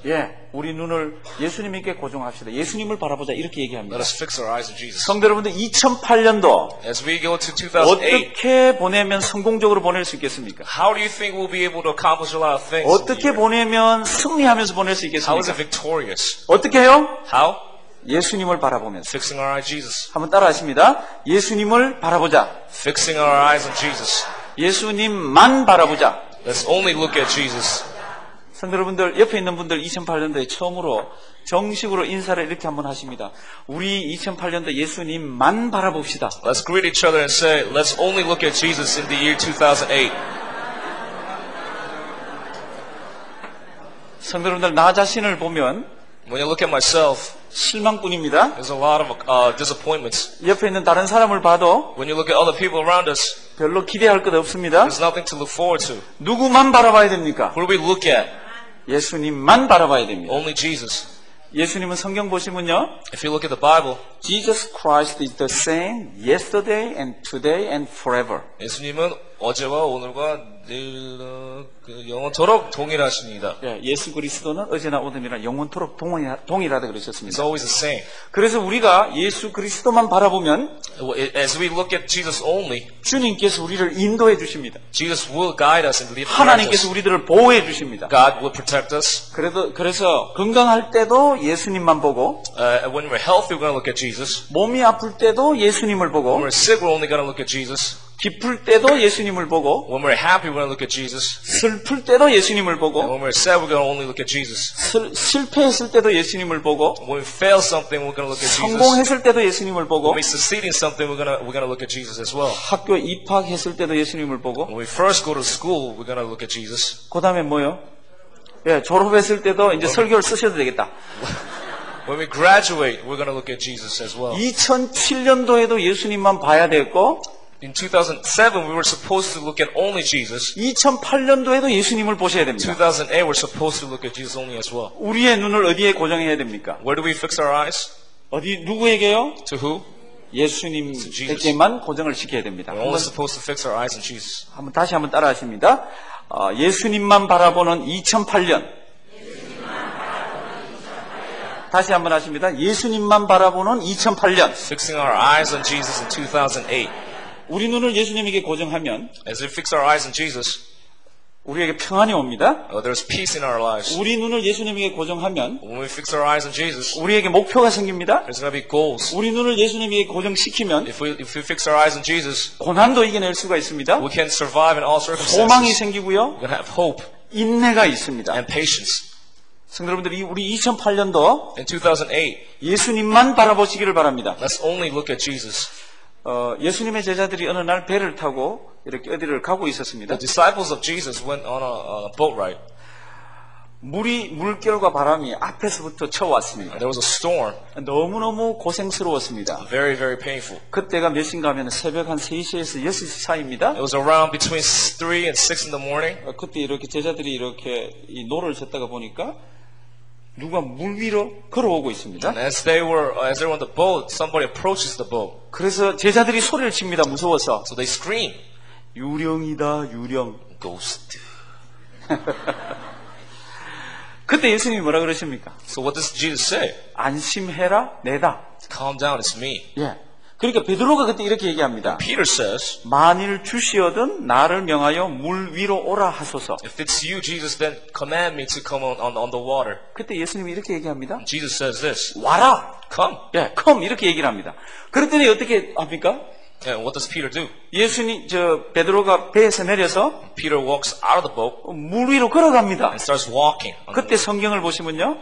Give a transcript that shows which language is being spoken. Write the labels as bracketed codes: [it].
[ko] 예, 우리 눈을 예수님께 고정합시다. 예수님을 바라보자 이렇게 얘기합니다. [en] Let us fix our eyes on Jesus. [ko] 성도 여러분들 2008년도 [en] As we go to 2008, [ko] 어떻게 보내면 성공적으로 보낼 수 있겠습니까? [en] How do you think we'll be able to accomplish a lot of things? [ko] 어떻게 보내면 승리하면서 보낼 수 있겠습니까? [en] How is it victorious? [ko] 어떻게 해요? [en] How? [ko] 예수님을 바라보면서 [en] Fixing our eyes on Jesus. [ko] 한번 따라하십니다. 예수님을 바라보자. [en] Fixing our eyes on Jesus. [ko] 예수님만 바라보자. [en] Let's only look at Jesus. [ko] 성도 여러분들 옆에 있는 분들 2008년도에 처음으로 정식으로 인사를 이렇게 한번 하십니다. 우리 2008년도 예수님만 바라봅시다. [en] Let's greet each other and say, Let's only look at Jesus in the year 2008. [ko] 성도 여러분들 나 자신을 보면 [en] When you look at myself, [ko] 실망뿐입니다. [en] There's a lot of disappointments. [ko] 옆에 있는 다른 사람을 봐도 [en] When you look at other people around us, [ko] 별로 기대할 것 없습니다. [en] There's nothing to look forward to. [ko] 누구만 바라봐야 됩니까? [en] Who do we look at? [ko] 예수님만 바라봐야 됩니다. [en] Only Jesus. [ko] 예수님은 성경 보시면요. [en] If you look at the Bible, Jesus Christ is the same yesterday and today and forever. [ko] 예수님은 어제와 오늘과 늘 영원토록 동일하십니다. 예, 예수 그리스도는 어제나 오늘이나 영원토록 동일하다 그러셨습니다. [en] It's always the same. [ko] 그래서 우리가 예수 그리스도만 바라보면 [en] As we look at Jesus only, [ko] 주님께서 우리를 인도해 주십니다. [en] Jesus will guide us and lead us. [ko] 하나님께서 우리들을 보호해 주십니다. [en] God will protect us. [ko] 그래서 건강할 때도 예수님만 보고 [en] When we're healthy, we're going to look at Jesus. [ko] 몸이 아플 때도 예수님을 보고 [en] When we're sick, we're only going to look at Jesus. [ko] 기쁠 때도 예수님을 보고 [en] When we're happy, we're going to look at Jesus. [ko] 슬플 때도 예수님을 보고 [en] When we're sad, we're going to only look at Jesus. [ko] 실패했을 때도 예수님을 보고 [en] When we fail something, we're going to look at Jesus. [ko] 성공했을 때도 예수님을 보고 [en] When we succeed in something, we're going to look at Jesus as well. [ko] 학교 입학했을 때도 예수님을 보고 [en] When we first go to school, we're going to look at Jesus. [ko] 그 다음에 뭐요? 예, 졸업했을 때도 이제 설교를 쓰셔도 되겠다. [en] When we graduate, we're going to look at Jesus as well. [ko] 2007년도에도 예수님만 봐야 됐고 [en] In 2007, we were supposed to look at only Jesus. [ko] 2008년도에도 예수님을 보셔야 됩니다. [en] 2008, we're supposed to look at Jesus only as well. [ko] 우리의 눈을 어디에 고정해야 됩니까? [en] Where do we fix our eyes? [ko] 어디 누구에게요? [en] To who? [ko] 예수님에게만 고정을 시켜야 됩니다. [en] We're only supposed to fix our eyes on Jesus. [ko] 한번 다시 한번 따라하십니다. 예수님만 바라보는 2008년. 다시 한번 하십니다. 예수님만 바라보는 2008년. [en] Fixing our eyes on Jesus in 2008. [ko] 우리 눈을 예수님에게 고정하면 [en] As we fix our eyes on Jesus, [ko] 우리에게 평안이 옵니다. [en] There's peace in our lives. [ko] 우리 눈을 예수님에게 고정하면 [en] When we fix our eyes on Jesus, [ko] 우리에게 목표가 생깁니다. [en] There's gonna be goals. [ko] 우리 눈을 예수님에게 고정시키면 [en] If we fix our eyes on Jesus, [ko] 고난도 이겨낼 수가 있습니다. [en] We can survive in all circumstances. [ko] 소망이 생기고요. [en] We're gonna have hope. [ko] 인내가 있습니다. [en] And patience. [ko] 성도 여러분들 우리 2008년도 [en] In 2008, [ko] 예수님만 바라보시기를 바랍니다. [en] Let's only look at Jesus. [ko] 예수님의 제자들이 어느 날 배를 타고 이렇게 어디를 가고 있었습니다. [en] The disciples of Jesus went on a boat ride. [ko] 물이 물결과 바람이 앞에서부터 쳐왔습니다. [en] There was a storm. [ko] 너무너무 고생스러웠습니다. [en] Very very painful. [ko] 그때가 몇 시인가 하면 새벽 한 3시에서 6시 사이입니다. [en] It was around between 3 and 6 in the morning. [ko] 그때 이렇게 제자들이 이렇게 이 노를 젓다가 보니까 누가 물 위로 걸어오고 있습니다. [en] And as they were on the boat, somebody approaches the boat. [ko] 그래서 제자들이 소리를 칩니다. 무서워서. [en] So they scream. [ko] 유령이다, 유령. [en] Ghost. [ko] 그때 예수님이 뭐라 그러십니까? [en] So what does Jesus say? [ko] 안심해라, 내다. [en] Calm down, it's me. [ko] 예. 그러니까 베드로가 그때 이렇게 얘기합니다. [en] Peter says, [ko] 만일 주시거든 나를 명하여 물 위로 오라 하소서. [en] If it's you, Jesus, then command me to come on the water. [ko] 그때 예수님이 이렇게 얘기합니다. [en] Jesus says this. [ko] 와라. [en] Come. [ko] 예, come 이렇게 얘기를 합니다. 그랬더니 어떻게 합니까? [en] And what does Peter do? [ko] 예수님 저 베드로가 배에서 내려서 [en] Peter walks out of the boat. [ko] 물 위로 걸어갑니다. [en] And starts walking. [ko] 그때 성경을 보시면요.